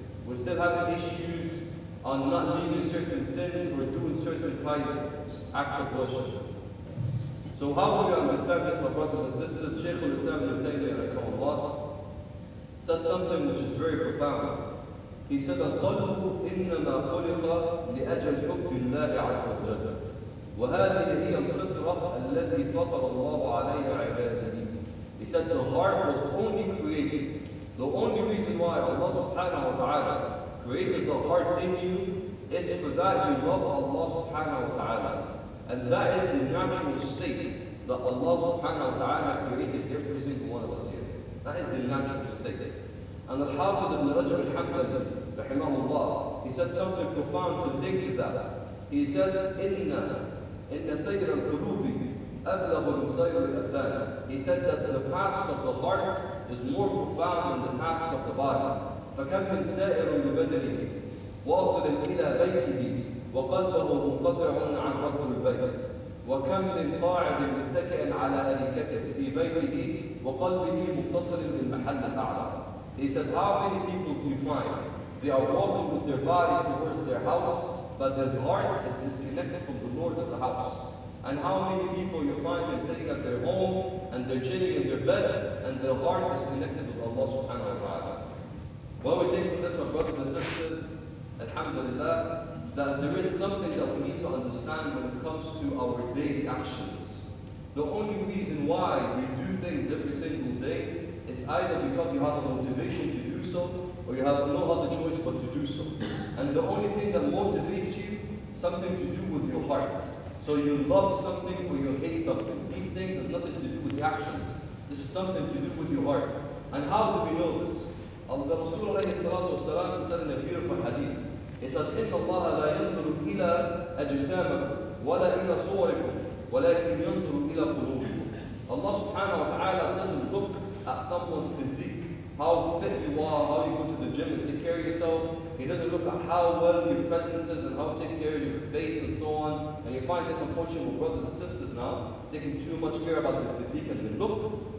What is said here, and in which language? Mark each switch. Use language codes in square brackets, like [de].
[en] We still have issues on not leaving certain sins, we're doing certain types of acts of worship. So how do we understand this, my brothers and sisters? Shaykh al-Islam ibn Taymiyyah, rahimahullah, said something which is very profound. He said, [ar] القلب إنما خلق لأجل حب الله عز وجل. وهذه هي الفطرة التي فطر الله عليها عباده. [en] He said the heart was only created. The only reason why Allah subhanahu wa ta'ala created the heart in you is for that you love Allah subhanahu wa ta'ala. And that is the natural state that Allah subhanahu wa ta'ala created every single one of us here. That is the natural state. And Al-Hafidh ibn Rajab al-Hanbali, rahimahullah, he said something profound to link to that. He said, [ar] إن سير القلوب أبلغ من سير الأبدان. [en] He said that the paths of the heart is more profound than the paths of the body. [ar] فكم من سائر ببدنه واصل إلى بيته وقلبه منقطع عن رب البيت. وكم من قاعد متكئ على أريكته في بيته وقلبه متصل بالمحل الأعلى. [en] He said, how many people do we find? They are walking with their bodies towards their house, but their heart is disconnected from the Lord of the house. And how many people you find them sitting at their home, and they're chilling in their bed, and their heart is connected with Allah subhanahu wa ta'ala. When we take from this, my brothers and sisters, alhamdulillah, that there is something that we need to understand when it comes to our daily actions. The only reason why we do things every single day is either because you have a motivation to do so, or you have no other choice but to do so. And the only thing that motivates you, something to do with your heart. So you love something or you hate something. These things have nothing to do with the actions. This is something to do with your heart. And how do we know this? The Rasulullah salatu wasalam said in a beautiful hadith, he said, [ar] إِنَّ اللَّهَ لَا يَنْظُرُ إِلَىٰ أَجْسَامَكُمْ وَلَا إِلَىٰ صُوَرِكُمْ وَلَكِنْ يَنْظُرُ إِلَىٰ قُلُوبِكُمْ. [en] Allah subhanahu wa ta'ala doesn't look at someone's physique, how fit you are, how you go to the gym and take care of yourself. He doesn't look at how well your presence is and how take care of your face and so on. And you find this unfortunate brothers and sisters now taking too much care about their physique and their look.